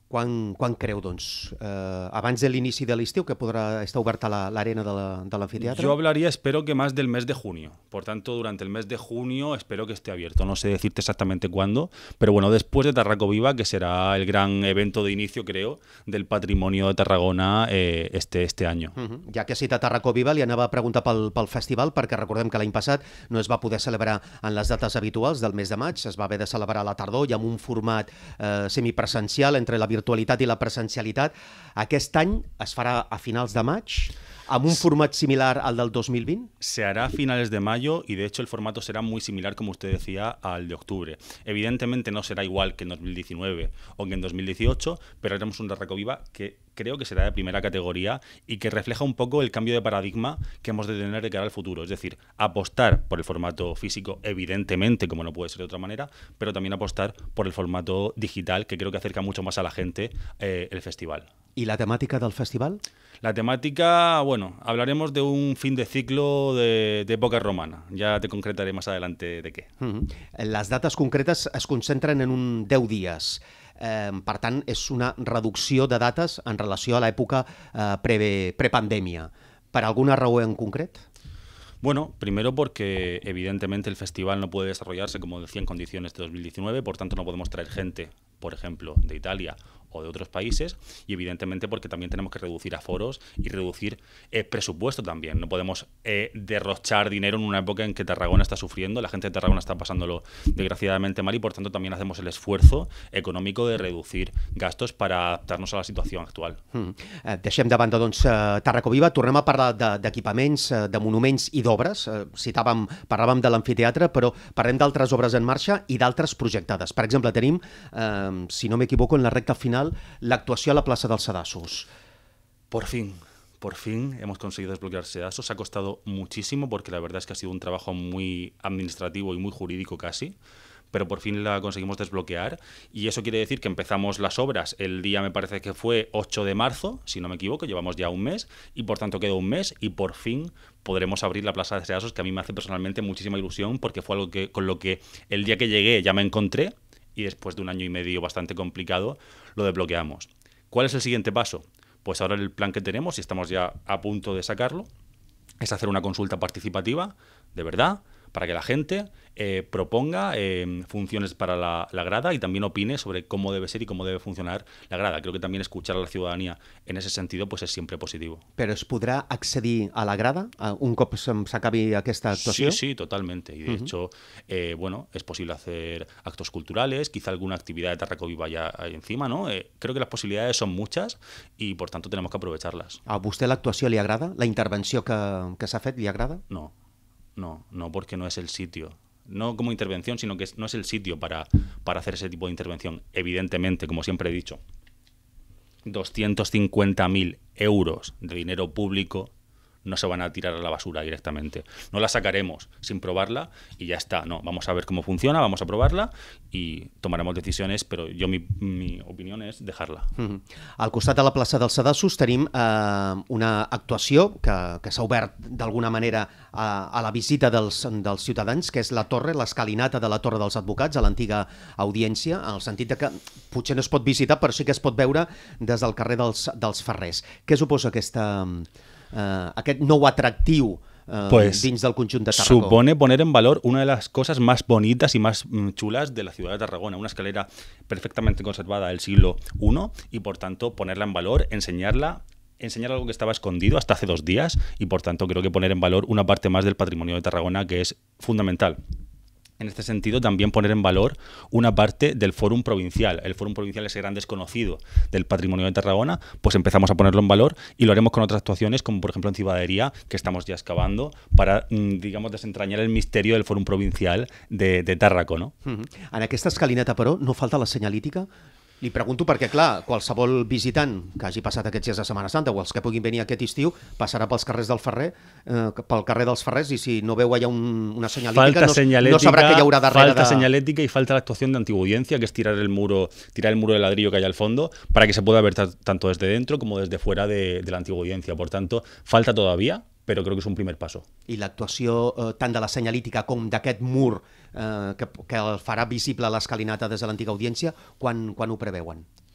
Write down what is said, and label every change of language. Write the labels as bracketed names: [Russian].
[Catalan] Quan creu, doncs, abans de l'inici de l'estiu, que podrà estar oberta l'arena de l'amfiteatre? [Spanish] Yo hablaría, espero que más del mes de junio. Por tanto, durante el mes de junio espero que esté abierto. No sé decirte exactamente cuándo, pero bueno, después de Tarraco Viva, que será el gran evento de inicio, creo, del patrimonio de Tarragona este año. [Catalan] Ja que ha citat Tarraco Viva, li anava a preguntar pel festival, perquè recordem que l'any passat no es va poder celebrar en les dates habituals del mes de maig. Es va haver de celebrar a la tardor i amb un format semipresencial entre la virtualitat i la presencialitat. Aquest any es farà a finals de maig, amb un format similar al del 2020? [Spanish] Se hará a finales de mayo y de hecho el formato será muy similar, como usted decía, al de octubre. Evidentemente no será igual que en 2019 o que en 2018, pero haremos un Tarraco Viva que creo que será de primera categoría y que refleja un poco el cambio de paradigma que hemos de tener de cara al futuro. Es decir, apostar por el formato físico, evidentemente, como no puede ser de otra manera, pero también apostar por el formato digital, que creo que acerca mucho más a la gente el festival. ¿Y la temática del festival? La temática, bueno, hablaremos de un fin de ciclo de época romana. Ya te concretaré más adelante de qué. Las datas concretas [Catalan] es concentren en un 10 días. Per tant, és una reducció de dates en relació a l'època prepandèmia. Per alguna raó en concret? [Spanish] Bueno, primero porque evidentemente el festival no puede desarrollarse, como decía, en condiciones de 2019, por tanto no podemos traer gente, por ejemplo, de Italia o de otros países, y evidentemente porque también tenemos que reducir aforos y reducir presupuesto también. No podemos derrochar dinero en una época en que Tarragona está sufriendo, la gente de Tarragona está pasándolo desgraciadamente mal, y por tanto también hacemos el esfuerzo económico de reducir gastos para adaptarnos a la situación actual. [Catalan] Deixem de banda, doncs, Tarraco Viva. Tornem a parlar d'equipaments, de monuments i d'obres. Parlàvem de l'amfiteatre, però parlem d'altres obres en marxa i d'altres projectades. Per exemple, tenim, si no m'equivoco, en la recta final, l'actuació a la plaça dels Sedassos. [Spanish] Por fin hemos conseguido desbloquear Sedassos. Ha costado muchísimo porque la verdad es que ha sido un trabajo muy administrativo y muy jurídico casi, pero por fin la conseguimos desbloquear. Y eso quiere decir que empezamos las obras el día, me parece que fue 8 de marzo, si no me equivoco, llevamos ya un mes, y por tanto quedó un mes y por fin podremos abrir la Plaza de Seasos, que a mí me hace personalmente muchísima ilusión, porque fue algo que, con lo que el día que llegué ya me encontré, y después de un año y medio bastante complicado, lo desbloqueamos. ¿Cuál es el siguiente paso? Pues ahora el plan que tenemos, y estamos ya a punto de sacarlo, es hacer una consulta participativa, de verdad, para que la gente proponga funciones para la grada y también opine sobre cómo debe ser y cómo debe funcionar la grada. Creo que también escuchar a la ciudadanía en ese sentido pues es siempre positivo. [Catalan] ¿Pero es podrá accedir a la grada un cop s'acabi aquesta actuació? [Spanish] Sí, sí, totalmente. Y de hecho, bueno, es posible hacer actos culturales, quizá alguna actividad de Tarraco Viva ya encima, ¿no? Creo que las posibilidades son muchas y, por tanto, tenemos que aprovecharlas. [Catalan] ¿A vostè l'actuació li agrada? ¿La intervenció que s'ha fet li agrada? [Spanish] No. No, no, porque no es el sitio. No como intervención, sino que no es el sitio para hacer ese tipo de intervención. Evidentemente, como siempre he dicho, 250.000 euros de dinero público no se van a tirar a la basura directamente. No la sacaremos sin probarla y ya está. No, vamos a ver cómo funciona, vamos a probarla y tomaremos decisiones, pero yo mi opinión es dejarla. [Catalan] Al costat de la plaça dels Sedassos tenim una actuació que s'ha obert d'alguna manera a la visita dels ciutadans, que és la torre, l'escalinata de la Torre dels Advocats a l'antiga audiència, en el sentit que potser no es pot visitar, però sí que es pot veure des del carrer dels Ferrers. Què suposa aquesta... aquest nou atractiu pues, dins del conjunt de Tarragona. [Spanish] Supone poner en valor una de las cosas más bonitas y más chulas de la ciudad de Tarragona, una escalera perfectamente conservada del siglo I y, por tanto, ponerla en valor, enseñar algo que estaba escondido hasta hace dos días y, por tanto, creo que poner en valor una parte más del patrimonio de Tarragona que es fundamental. En este sentido, también poner en valor una parte del Fórum Provincial. El Fórum Provincial es el gran desconocido del patrimonio de Tarragona, pues empezamos a ponerlo en valor y lo haremos con otras actuaciones, como por ejemplo en Cibadería, que estamos ya excavando, para, digamos, desentrañar el misterio del Fórum Provincial de Tarraco, ¿no? [Catalan] En aquesta escalineta, però, no falta la senyalítica? Li pregunto perquè, clar, qualsevol visitant que hagi passat aquests dies de Setmana Santa o els que puguin venir aquest estiu passarà pels carrers del Ferrer, pel carrer dels Ferrers, i si no veu allà una senyalètica, no sabrà què hi haurà darrere. Falta senyalètica i falta l'actuació d'antiguaudiència, que és tirar [Spanish] el muro de ladrillo [Catalan] que hi ha [Spanish] al fondo para que se pueda ver tanto desde dentro como desde fuera de l'antiguaudiència. Por tanto, falta todavía, pero creo que es un primer paso. [Catalan] I l'actuació tant de la senyalítica com d'aquest mur que el farà visible l'escalinata des de l'antiga audiència, quan ho preveuen?